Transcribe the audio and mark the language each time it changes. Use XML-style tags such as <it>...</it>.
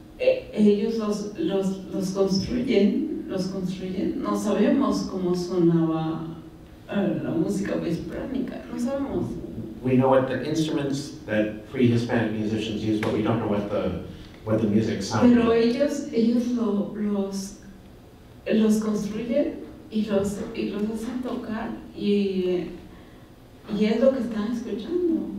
<es>Ellos los construyen, No sabemos cómo sonaba la música prehispánica, no sabemos.</es> <en>We know what the instruments that prehispanic musicians use, but we don't know what the music sounds</en> <es>like. Pero ellos los construyen. Y los hacen tocar y es lo que están escuchando.</es>